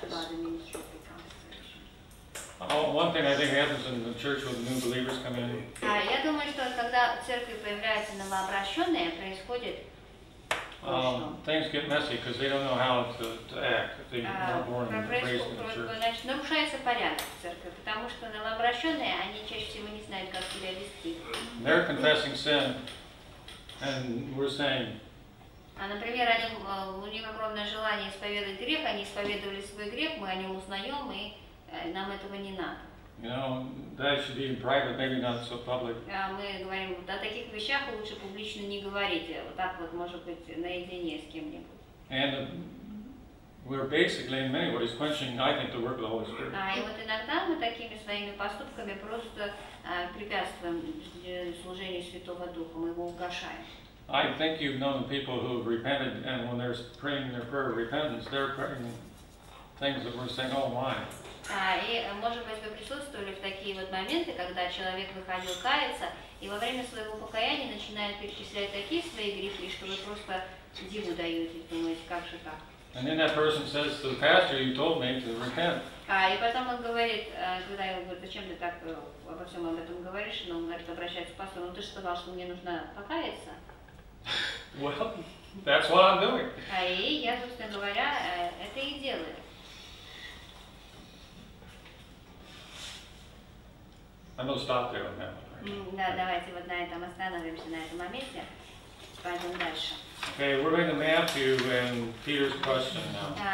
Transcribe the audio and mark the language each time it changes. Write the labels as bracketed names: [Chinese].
[English] One thing I think happens in the church when new believers come in. [Russian] Я думаю, что когда в церкви появляются новообращенные, происходит. [English] Things get messy because they don't know how to act. They were born and raised in the church. [Russian] Нарушается порядок в церкви, потому что новообращенные они чаще всего не знают, как себя вести. [English] They're confessing sin. And we're saying. [Russian] А, например, они у них огромное желание исповедовать грех, они исповедовали свой грех, мы о нем узнаем, и нам этого не надо. [English] You know, that should be in private, maybe not so public. [Russian] А мы говорим, о таких вещах лучше публично не говорить, вот так вот, может быть, наедине с кем-нибудь. [English] And we're basically in many ways quenching, I think, the work of the Holy Spirit. [Russian] А и вот иногда мы такими своими поступками просто препятствуем служению Святого Духа, мы его угашаем. [English] I think you've known the people who have repented, and when they're praying their prayer of repentance, they're praying things that we're saying, "Oh my." [Russian] И может быть вы присутствовали в такие вот моменты, когда человек выходил каяться, и во время своего покаяния начинает перечислять такие свои грехи, что вы просто диву даетесь, думаете, как же так? [English] And then that person says to the pastor, "You told me to repent." [Russian] И потом он говорит, когда я говорю, зачем ты так обо всем об этом говоришь, он говорит, обращается к пастору, ты же сказал, что мне нужно покаяться. [English] Well, that's what I'm doing. [Russian] И я, собственно говоря, это и делаю. [English] I'm gonna stop there on that. [Russian] Да, давайте вот на этом остановимся на этом моменте. Пойдем дальше. [English] Okay, we're going to Matthew and Peter's question now.